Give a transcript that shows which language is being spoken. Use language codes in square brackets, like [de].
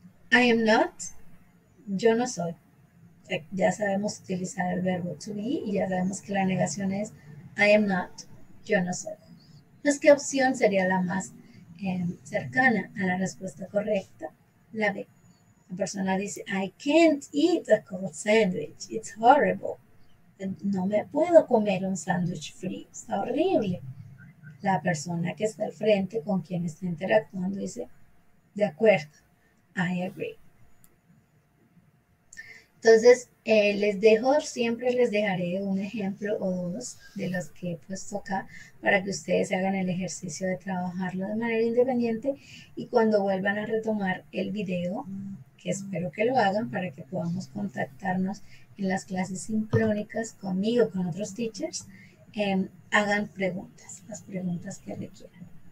[en] I am not, [es] yo no soy. Ya sabemos utilizar el verbo to be y ya sabemos que la negación es [en] I am not, [es] yo no soy. Entonces, ¿qué opción sería la más cercana a la respuesta correcta? La B. La persona dice, [en] I can't eat a cold sandwich, it's horrible. [es] No me puedo comer un sándwich frío, está horrible. La persona que está al frente con quien está interactuando dice, de acuerdo. [en] I agree. [es] Entonces, les dejo, siempre les dejaré un ejemplo o dos de los que he puesto acá para que ustedes hagan el ejercicio de trabajarlo de manera independiente y cuando vuelvan a retomar el video, que espero que lo hagan para que podamos contactarnos en las clases sincrónicas conmigo, con otros teachers, hagan preguntas, las preguntas que requieran.